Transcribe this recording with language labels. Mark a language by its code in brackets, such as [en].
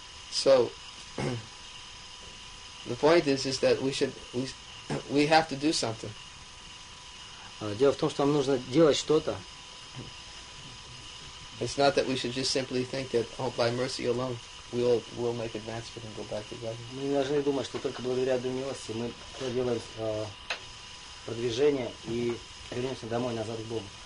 [en] So, The point is that we have to do something. [ru] Дело в том, что нам нужно делать что-то. [en] It's not that we should just simply think that, oh, by mercy alone, we'll make advancement and go back to God. [ru] Мы не должны думать, что только благодаря милости мы проделаем продвижение и вернемся домой назад к Богу.